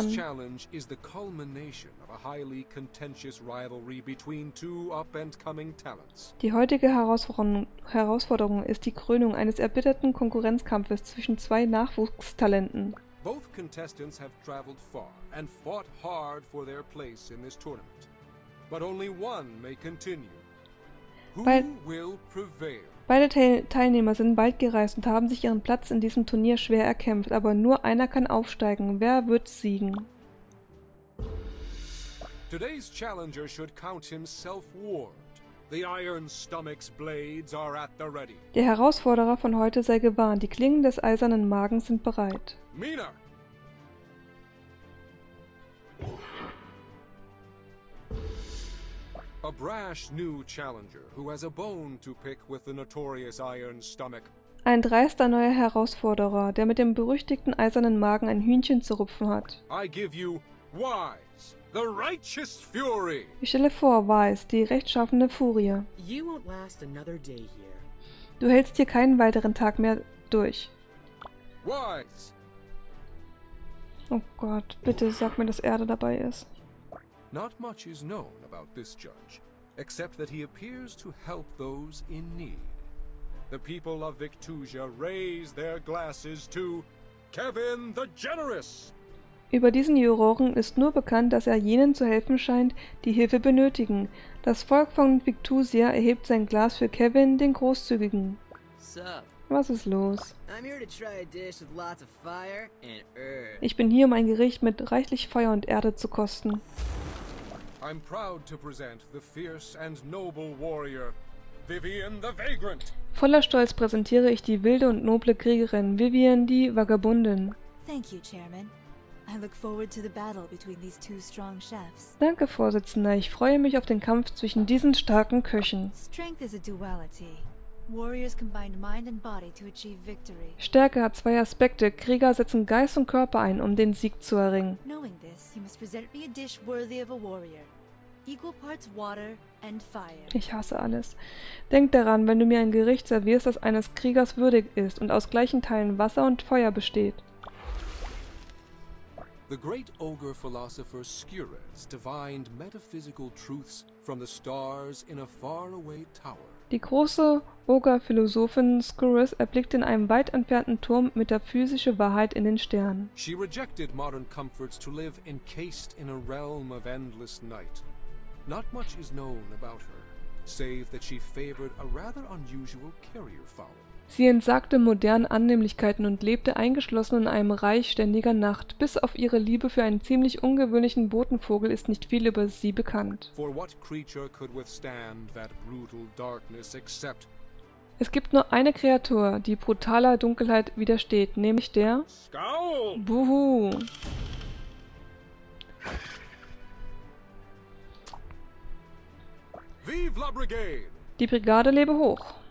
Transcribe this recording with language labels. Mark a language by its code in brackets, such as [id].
[en] Today's challenge is the culmination of a highly contentious rivalry between two up-and-coming talents. [de] Die heutige Herausforderung ist die Krönung eines erbitterten Konkurrenzkampfes zwischen zwei Nachwuchstalenten. [en] Both contestants have traveled far and fought hard for their place in this tournament. But only one may continue. Who will prevail? [de] Beide Teilnehmer sind weit gereist und haben sich ihren Platz in diesem Turnier schwer erkämpft, aber nur einer kann aufsteigen. Wer wird siegen? [en] Today's challenger should count himself warned. The Iron Stomach's blades are at the ready. [de] Der Herausforderer von heute sei gewarnt. Die Klingen des eisernen Magens sind bereit. [en] Mina! A brash new challenger who has a bone to pick with the notorious Iron Stomach. [de] Ein dreister neuer Herausforderer, der mit dem berüchtigten eisernen Magen ein Hühnchen zu rupfen hat. [en] I give you Wise, the righteous fury. [de] Ich stelle vor, Wise, die rechtschaffende Furie. [en] You won't last another day here. [de] Du hältst hier keinen weiteren Tag mehr durch. [en] Wise. [de] Oh Gott, bitte sag mir, dass Erde dabei ist. [en] Not much is known about this judge, except that he appears to help those in need. The people of Victusia raise their glasses to Kevin the Generous! [de] Über diesen Juroren ist nur bekannt, dass er jenen zu helfen scheint, die Hilfe benötigen. Das Volk von Victusia erhebt sein Glas für Kevin, den Großzügigen. [en] Sup? [de] Was ist los? [en] I'm here to try a dish with lots of fire and earth. [de] Ich bin hier, um ein Gericht mit reichlich Feuer und Erde zu kosten. [en] I'm proud to present the fierce and noble warrior, Vivien the Vagrant. [de] Voller Stolz präsentiere ich die wilde und noble Kriegerin, Vivien die Vagabundin. [en] Thank you, Chairman. I look forward to the battle between these two strong chefs. [de] Danke, Vorsitzender. Ich freue mich auf den Kampf zwischen diesen starken Köchen. [en] Strength is a duality. Warriors combine mind and body to achieve victory. [de] Stärke hat zwei Aspekte. Krieger setzen Geist und Körper ein, um den Sieg zu erringen. [en] Knowing this, you must present me a dish worthy of a warrior. Equal parts water and fire. [de] Ich hasse alles. Denk daran, wenn du mir ein Gericht servierst, das eines Kriegers würdig ist und aus gleichen Teilen Wasser und Feuer besteht. [en] The great ogre philosopher Skuras divined metaphysical truths from the stars in a faraway tower. [de] Die große Ogre-Philosophin Skuras erblickte in einem weit entfernten Turm metaphysische Wahrheit in den Sternen. [en] She rejected modern comforts to live encased in a realm of endless night. Not much is known about her, save that she favored a rather unusual carrier fowl. [de] Sie entsagte modernen Annehmlichkeiten und lebte eingeschlossen in einem Reich ständiger Nacht. Bis auf ihre Liebe für einen ziemlich ungewöhnlichen Botenvogel ist nicht viel über sie bekannt. [en] For what creature could withstand that brutal darkness except? [de] Es gibt nur eine Kreatur, die brutaler Dunkelheit widersteht, nämlich der... [en] Skull! [de] Buhu! [fr] Vive la Brigade! [de] Die Brigade lebe hoch!